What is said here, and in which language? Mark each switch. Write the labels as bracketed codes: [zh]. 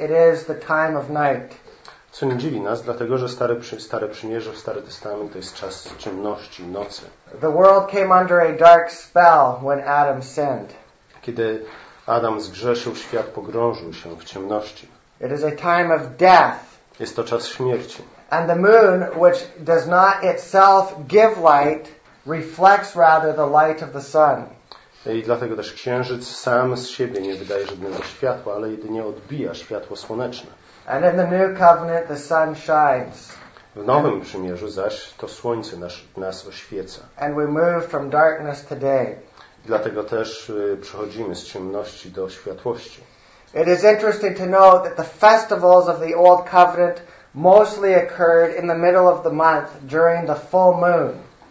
[en] It is the time of night. [pl] Co nie dziwi nas, dlatego że stare przymierze, Stary Testament to jest czas ciemności, nocy. [en] The world came under a dark spell when Adam sinned. [pl] Kiedy Adam zgrzeszył, świat pogrążył się w ciemności. [en] It is a time of death. [pl] Jest to czas śmierci. [en] And the moon, which does not itself give light, reflects rather the light of the sun. [pl] I dlatego też księżyc sam z siebie nie wydaje żadnego światła, ale jedynie odbija światło słoneczne. [en] And in the new covenant, the sun shines. [pl] W nowym przymierzu zaś to słońce nas oświeca. [en] And we move from darkness to day. [pl] Dlatego też przechodzimy z ciemności do światłości. [en] It is interesting to note that the festivals of the old covenant mostly occurred in the middle of the month during the full moon.